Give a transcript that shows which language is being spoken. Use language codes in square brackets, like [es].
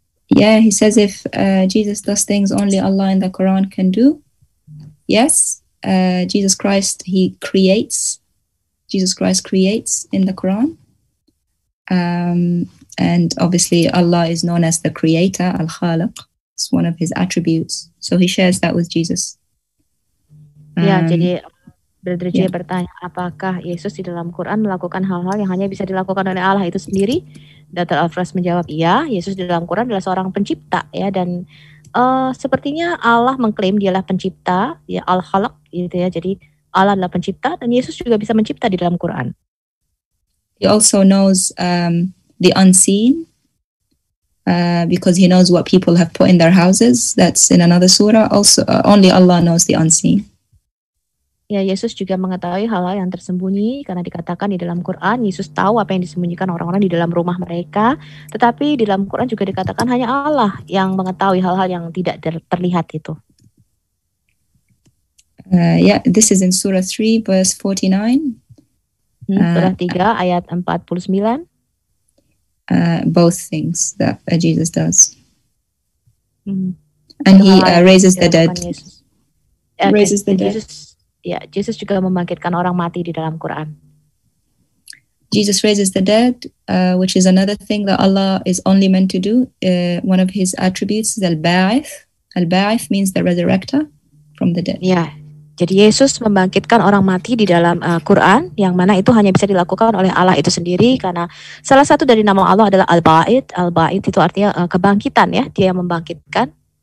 [en] Yeah, he says if Jesus does things only Allah in the Quran can do. Yes. Jesus Christ, he creates. Jesus Christ creates in the Quran. And obviously Allah is known as the creator, Al-Khaliq. It's one of his attributes. So he shares that with Jesus. [id] Jadi Brother Jay bertanya, apakah Yesus di dalam Quran melakukan hal-hal yang hanya bisa dilakukan oleh Allah itu sendiri? Dr. Alfraz menjawab, iya, Yesus di dalam Quran adalah seorang pencipta ya, dan sepertinya Allah mengklaim dialah pencipta, ya Al-Khaliq gitu ya. Jadi Allah adalah pencipta dan Yesus juga bisa mencipta di dalam Quran. [en] He also knows the unseen because he knows what people have put in their houses. That's in another surah. Also, only Allah knows the unseen. [id] Ya, Yesus juga mengetahui hal-hal yang tersembunyi karena dikatakan di dalam Quran, Yesus tahu apa yang disembunyikan orang-orang di dalam rumah mereka. Tetapi di dalam Quran juga dikatakan hanya Allah yang mengetahui hal-hal yang tidak terlihat itu. [en] This is in Surah 3, verse 49. [id] Surah 3, ayat 49. [en] Both things that Jesus does. And he raises the dead. Raises the dead. [id] Jesus juga membangkitkan orang mati di dalam Quran. [en] Jesus raises the dead, which is another thing that Allah is only meant to do. One of his attributes is al-ba'ith. Al-ba'ith means the resurrector from the dead. [id] Jadi Yesus membangkitkan orang mati di dalam Quran, yang mana itu hanya bisa dilakukan oleh Allah itu sendiri, karena salah satu dari nama Allah adalah al-ba'ith. Al-ba'ith itu artinya kebangkitan ya, dia yang membangkitkan.